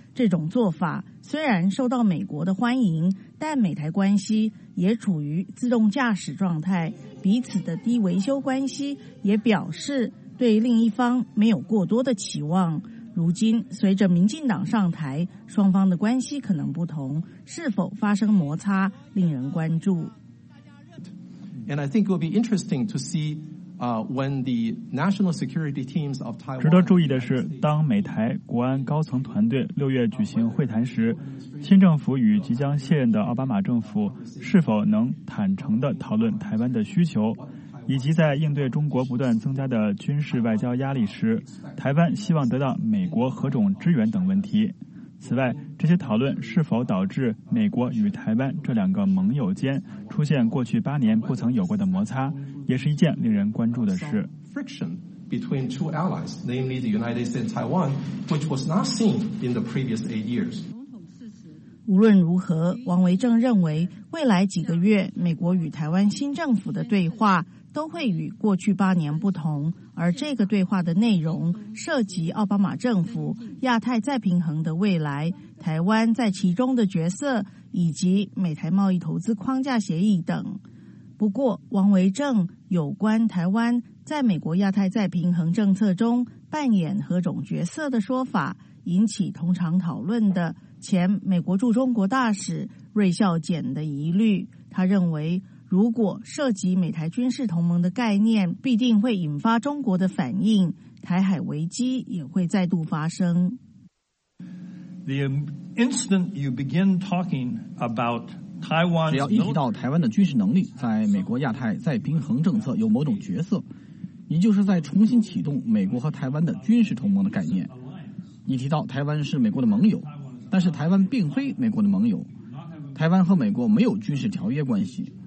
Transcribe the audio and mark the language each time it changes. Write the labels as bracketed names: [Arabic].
[Chinese] 这种做法虽然受到美国的欢迎，但美台关系也处于自动驾驶状态，彼此的低维修关系也表示对另一方没有过多的期望。如今随着民进党上台，双方的关系可能不同，是否发生摩擦令人关注。 [English] And I think it will be interesting to see when the national security teams of Taiwan. [Chinese] 值得注意的是，当美台国安高层团队六月举行会谈时，新政府与即将卸任的奥巴马政府是否能坦诚地讨论台湾的需求，以及在应对中国不断增加的军事外交压力时，台湾希望得到美国何种支援等问题。此外，这些讨论是否导致美国与台湾这两个盟友间出现过去八年不曾有过的摩擦，也是一件令人关注的事。 [English] Friction between two allies, namely the United States and Taiwan, which was not seen in the previous eight years. [Chinese] 无论如何，王维正认为，未来几个月美国与台湾新政府的对话都会与过去八年不同，而这个对话的内容涉及奥巴马政府、亚太再平衡的未来、台湾在其中的角色以及美台贸易投资框架协议等。不过，王维正有关台湾在美国亚太再平衡政策中扮演何种角色的说法，引起通常讨论的前美国驻中国大使芮孝简的疑虑。他认为，如果涉及美台军事同盟的概念，必定会引发中国的反应，台海危机也会再度发生。 [English] The instant you begin talking about Taiwan, [Chinese] 只要一提到台湾的军事能力在美国亚太再平衡政策有某种角色，你就是在重新启动美国和台湾的军事同盟的概念。你提到台湾是美国的盟友，但是台湾并非美国的盟友，台湾和美国没有军事条约关系。